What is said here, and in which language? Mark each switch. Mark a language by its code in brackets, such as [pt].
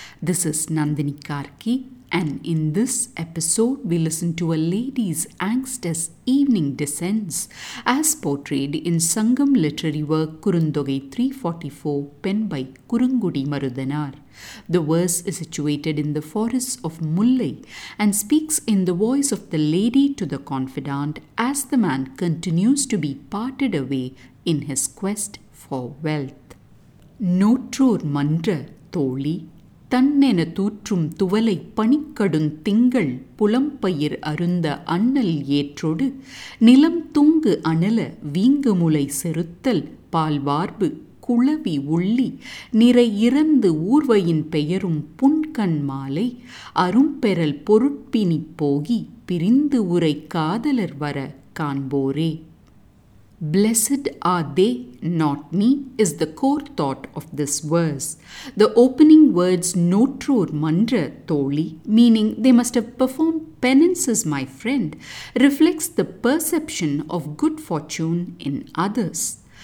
[en] This is Nandini Karki, and in this episode we listen to a lady's angst as evening descends, as portrayed in Sangam literary work Kurundogai 344, penned by Kurungudi Marudanar. The verse is situated in the forests of Mullai and speaks in the voice of the lady to the confidant as the man continues to be parted away in his quest for wealth. [ta] நோற்றோர் மன்ற தோழி தன்னென தூற்றும் துவலை பணிக்கடும் திங்கள் புலம்பயிர் அருந்த அண்ணல் ஏற்றொடு நிலம் Tunku அணல வீங்குமுலை செருத்தல் பால்வார்பு குளவி உள்ளி நிறை இறந்து ஊர்வையின் பெயரும் புன்கண் மாலை அரும்பெறல் பொருட்பினி போகி பிரிந்து உரை காதலர் வர காண்போரே. [en] Blessed are they, not me, is the core thought of this verse. The opening words, Notror Mandra Tholi, meaning they must have performed penances, my friend, reflects the perception of good fortune in others.